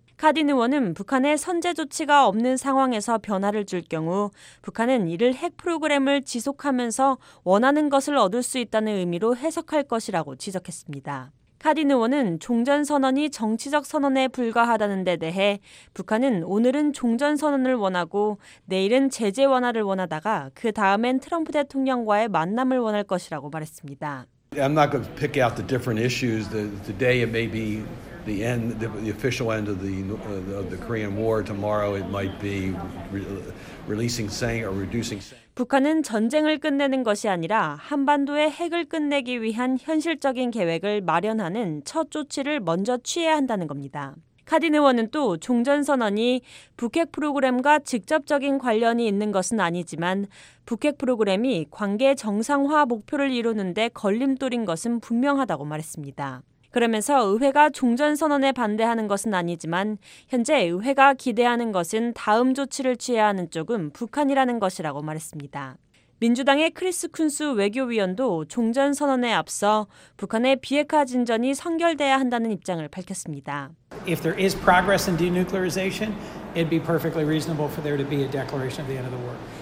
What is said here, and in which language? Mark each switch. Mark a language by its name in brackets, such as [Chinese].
[Korean] 카딘 의원은 북한의 선제 조치가 없는 상황에서 변화를 줄 경우 북한은 이를 핵 프로그램을 지속하면서 원하는 것을 얻을 수 있다는 의미로 해석할 것이라고 지적했습니다. 카딘 의원은 종전선언이 정치적 선언에 불과하다는 데 대해 북한은 오늘은 종전선언을 원하고 내일은 제재 완화를 원하다가 그 다음엔 트럼프 대통령과의 만남을 원할 것이라고 말했습니다. [English] I'm not going to pick out the different issues. Today it may be the end, the official end of the Korean War. Tomorrow it might be releasing Sang or reducing. [Korean] 북한은 전쟁을 끝내는 것이 아니라 한반도의 핵을 끝내기 위한 현실적인 계획을 마련하는 첫 조치를 먼저 취해야 한다는 겁니다. 카딘 의원은 또 종전선언이 북핵 프로그램과 직접적인 관련이 있는 것은 아니지만 북핵 프로그램이 관계 정상화 목표를 이루는 데 걸림돌인 것은 분명하다고 말했습니다. 그러면서 의회가 종전선언에 반대하는 것은 아니지만 현재 의회가 기대하는 것은 다음 조치를 취해야 하는 쪽은 북한이라는 것이라고 말했습니다. 민주당의 크리스 쿤스 외교위원도 종전선언에 앞서 북한의 비핵화 진전이 선결돼야 한다는 입장을 밝혔습니다. [English] If there is progress in denuclearization, it'd be perfectly reasonable for there to be a declaration of the end of the war.